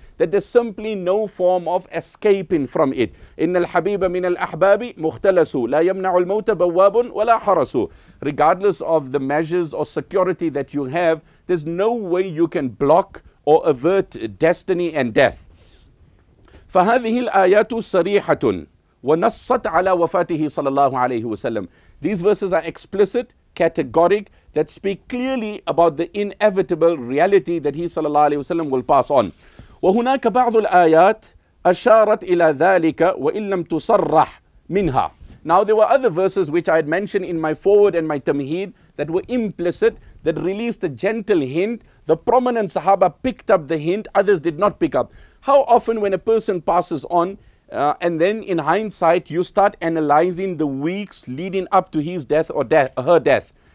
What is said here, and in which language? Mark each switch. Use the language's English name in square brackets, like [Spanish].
[English] That there's simply no form of escaping from it. [Arabic] إِنَّ الْحَبِيبَ مِنَ الْأَحْبَابِ مُخْتَلَسُ لَا يَمْنَعُ الْمَوْتَ بَوَّابٌ وَلَا حَرَسُ. [English] Regardless of the measures or security that you have, there's no way you can block or avert destiny and death. [Arabic] فهذه الآيات صريحة ونصت على وفاته صلى الله عليه وسلم. [English] These verses are explicit, categoric, that speak clearly about the inevitable reality that he صلى الله عليه وسلم will pass on. [Arabic] وهناك بعض الآيات أشارت إلى ذلك وإن لم تصرح منها. [English] Now there were other verses which I had mentioned in my forward and my tamheed that were implicit, that released a gentle hint. The prominent Sahaba picked up the hint, others did not pick up. How often when a person passes on, and then in hindsight, you start analyzing the weeks leading up to his death or her death.